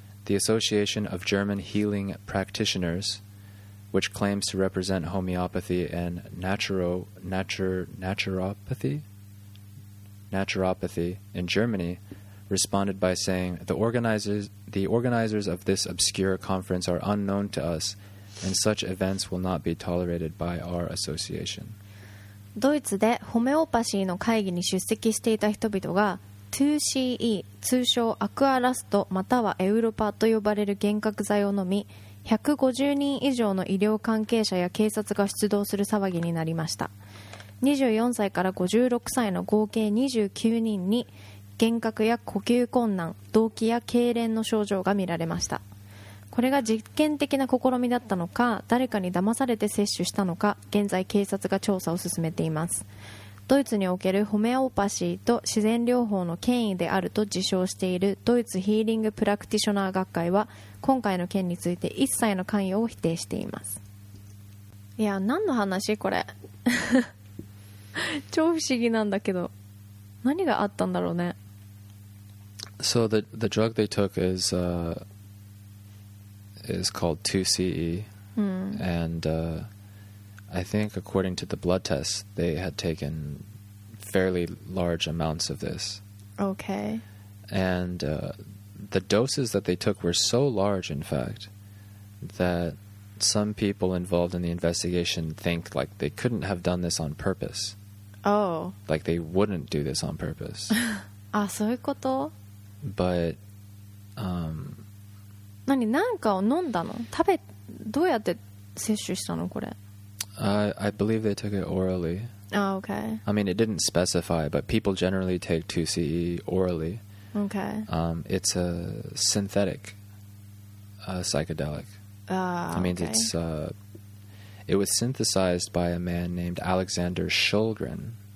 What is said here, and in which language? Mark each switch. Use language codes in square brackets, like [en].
[en] The Association of German Healing Practitioners, which claims to represent homeopathy and naturopathy in Germany, responded by saying, the organizers of this obscure conference are unknown to us, and such events will not be tolerated by our association. [ja] ドイツでホメオパシーの会議に出席していた人々が 2CE 通称アクアラストまたはエウロパと呼ばれる幻覚剤を飲み150人以上の医療関係者や警察が出動する騒ぎになりました。 24歳から56歳の合計29人に幻覚や呼吸困難、動悸や痙攣の症状が見られました。これが実験的な試みだったのか誰かに騙されて接種したのか現在警察が調査を進めています。ドイツにおけるホメオパシーと自然療法の権威であると自称しているドイツヒーリングプラクティショナー学会は今回の件について一切の関与を否定しています。いや何の話これ超不思議なんだけど何があったんだろうね。 [en] So the drug they took is called 2CE、 mm. and I think according to the blood test they had taken fairly large amounts of this. Okay. And the doses that they took were so large in fact that some people involved in the investigation think like they couldn't have done this on purpose. Oh. Like they wouldn't do this on purpose. [ja] あ、そういうこと? [en] But [ja] 何なんかを飲んだの? 食べ、どうやって摂取したのこれ? [en] I believe they took it orally. Oh, okay. I mean, it didn't specify, but people generally take 2CE orally. Okay. It's a synthetic psychedelic. Okay. I mean, it's, it was synthesized by a man named Alexander Shulgin.